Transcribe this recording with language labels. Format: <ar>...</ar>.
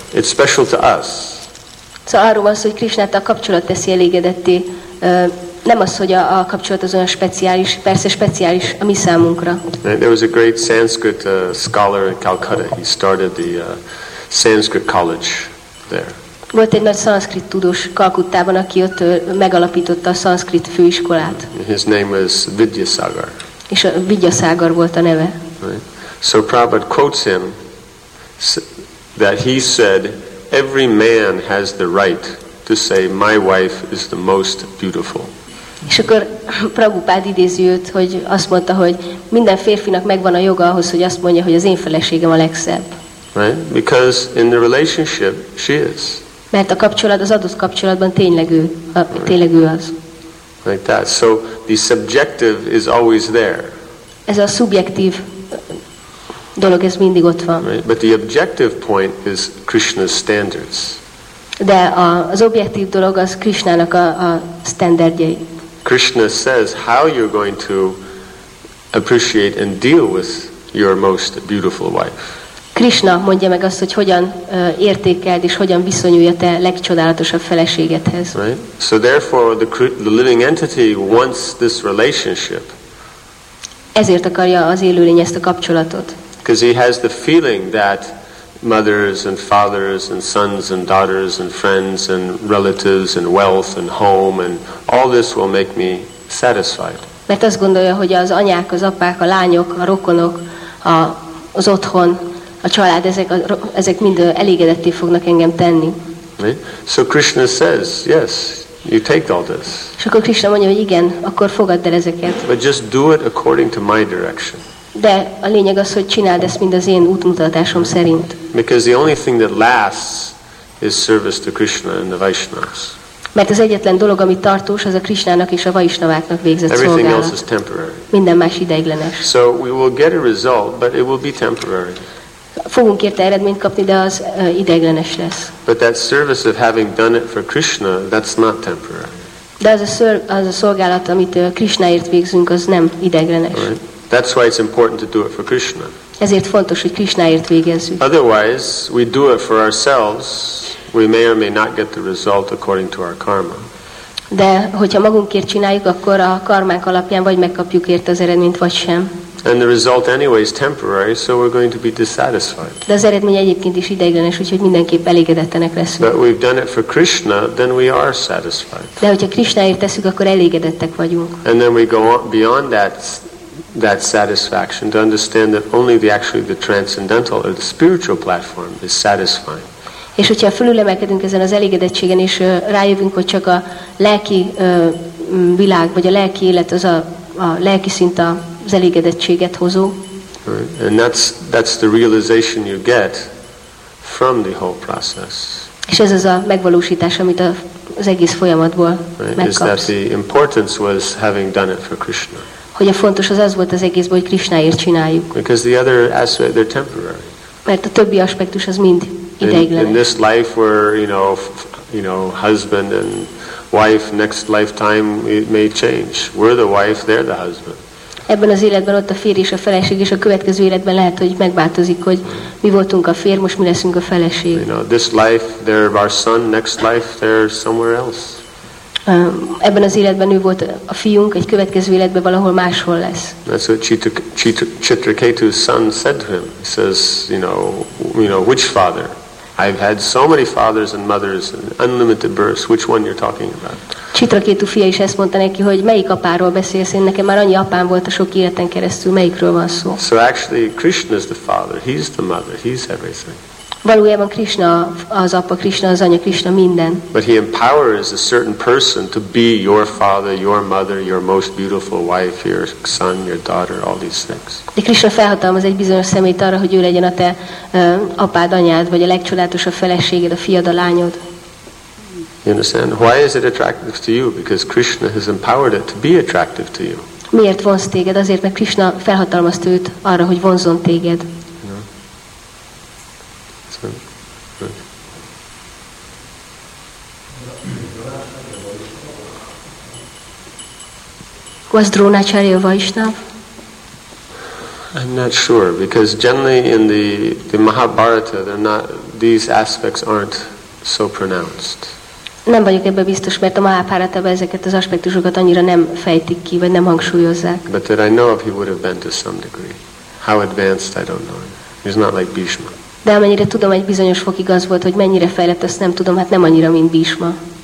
<en>It's special to us.</en> <hu>So arról van szó, hogy Krishna a kapcsolat teszi elégedetté nem az, hogy a kapcsolat az olyan speciális, persze speciális a mi számunkra.</hu> <en>There was a great Sanskrit scholar in Calcutta. He started the Sanskrit college there.</en> <hu>Volt egy nagy szanszkrit tudós Kalkuttában, aki ott megalapította a szanszkrit főiskolát.</hu> <en>His name was Vidyasagar.</en> <hu>És a Vidyasagar volt a neve.</hu> <en>Right. So Prabhupada quotes him that he said every man has the right to say my wife is the most beautiful.</en> <hu>És akkor Prabhupád idézi őt, hogy azt mondta, hogy minden férfinak megvan a joga ahhoz, hogy azt mondja, hogy az én feleségem a legszebb.</hu> <en>Right? Because in the relationship she is.</en> <hu>Mert a kapcsolat az adott kapcsolatban tényleg ő, a, tényleg ő az.</hu> <en>Like that. So the subjective is always there.</en> <hu>Ez a szubjektív dolog, ez mindig ott van.</hu> <en>Right? But the objective point is Krishna's standards.</en> <hu>De az objektív dolog az Krishnának a standardjai.</hu> <en>Krishna says how you're going to appreciate and deal with your most beautiful wife.</en> <hu>Krishna mondja meg azt, hogy hogyan értékeld és hogyan viszonyulj a te legcsodálatosabb feleségedhez.</hu> <en>Right? So therefore the living entity wants this relationship.</en> <hu>Ezért akarja az élőlény ezt a kapcsolatot.</hu> <en>Because he has the feeling that mothers and fathers and sons and daughters and friends and relatives and wealth and home and all this will make me satisfied.</en> <hu>Mert azt gondolja, hogy az anyák, az apák, a lányok, a rokonok, az otthon, a család, ezek mind elégedetté fognak engem tenni.</hu> <en>So Krishna says, yes, you take all this.</en> <hu>És akkor Krishna mondja, hogy igen, akkor fogadd el ezeket.</hu> <en>But just do it according to my direction.</en> <hu>De a lényeg az, hogy csináld ezt mind az én útmutatásom szerint.</hu> <en>Because the only thing that lasts is service to Krishna and the Vaishnavas.</en> <hu>Mert az egyetlen dolog, ami tartós, az a Krishnának és a Vaishnaváknak végzett</hu> <en>Everything</en> <hu>szolgálat.</hu> <en>Everything else is temporary.</en> <hu>Minden más ideiglenes.</hu> <en>So we will get a result, but it will be temporary.</en> <hu>Fogunk érte eredményt kapni, de az ideiglenes lesz.</hu> <en>But that service of having done it for Krishna, that's not temporary.</en> <hu>De az a szolgálat, amit Krishnaért végzünk, az nem ideiglenes.</hu> <en>Right. That's why it's important to do it for Krishna.</en> <hu>Ezért fontos, hogy Krishnaért végezzük.</hu> <en>Otherwise, we do it for ourselves, we may or may not get the result according to our karma.</en> <hu>De hogyha magunkért csináljuk, akkor a karmánk alapján vagy megkapjuk érte az eredményt, vagy sem.</hu> <en>And the result anyway is temporary, so we're going to be dissatisfied.</en> <hu>De az eredmény egyébként is ideiglenes, úgyhogy mindenképp elégedettenek leszünk.</hu> <en>But we've done it for Krishna, then we are satisfied.</en> <hu>De hogyha Krishnaért teszünk, akkor elégedettek vagyunk.</hu> <en>And then we go on beyond that satisfaction to understand that only the transcendental or the spiritual platform is satisfying.</en> <hu>És hogyha fölülemelkedünk ezen az elégedettségen, és rájövünk, hogy csak a lelki világ, vagy a lelki élet az a lelki szint a az elégedettséget hozó.</hu> <en>Right. And that's the realization you get from the whole process.</en> <hu>És ez az a megvalósítás, amit az egész folyamatból megkapsz.</hu> <en>Right. Is that the importance was having done it for Krishna.</en> <hu>Hogy a fontos az volt az egészben, hogy Krishnaért csináljuk.</hu> <en>Because the other aspects, they're temporary.</en> <hu>Mert a többi aspektus az mind ideiglenes.</hu> <en>In this life where, you know, husband and wife, next lifetime it may change. We're the wife, they're the husband.</en> <hu>Ebben az életben ott a férj és a feleség, és a következő életben lehet, hogy megváltozik, hogy mi voltunk a férj, most mi leszünk a feleség.</hu> <en>You know, this life, they're our son, next life, they're somewhere else.</en> <hu>Ebben az életben ő volt a fiunk, egy következő életben valahol máshol lesz.</hu> <en>That's what Chitraketu's son said to him. He says, you know, which father? I've had so many fathers and mothers and unlimited births. Which one you're talking about?</en> <hu>Chitraketu fia is ezt mondta neki, hogy melyik apáról beszélsz? Én nekem már annyi apám volt a sok életen keresztül, melyikről van szó?</hu> <en>So actually Krishna is the father, he's the mother, he's everything.</en> <hu>Valójában Krishna az apa, Krishna az anya, Krishna minden.</hu> <en>But he empowers a certain person to be your father, your mother, your most beautiful wife, your son, your daughter, all these things.</en> <hu>De Krishna felhatalmaz egy bizonyos személyt arra, hogy ő legyen a te apád, anyád, vagy a legcsodálatosabb feleséged, a fiad, a lányod.</hu> <en>You understand? Why is it attractive to you? Because Krishna has empowered it to be attractive to you.</en> <hu>Miért vonz téged? Azért, mert Krishna felhatalmazta őt arra, hogy vonzon téged.</hu> <en>Was Dronacharya Vaishnava? I'm not sure, because generally in the Mahabharata, they're not, these aspects aren't so pronounced.</en> <hu>Nem vagyok ebben biztos, mert a Mahábháratában ezeket az aspektusokat annyira nem fejtik ki, vagy nem hangsúlyozzák.</hu> <en>But that I know if he would have been to some degree. How advanced, I don't know. He's not like Bhishma.</en> <hu>De amennyire tudom, egy bizonyos fokig az volt, hogy mennyire fejlett, azt nem tudom, hát nem annyira, mint Bhishma.</hu>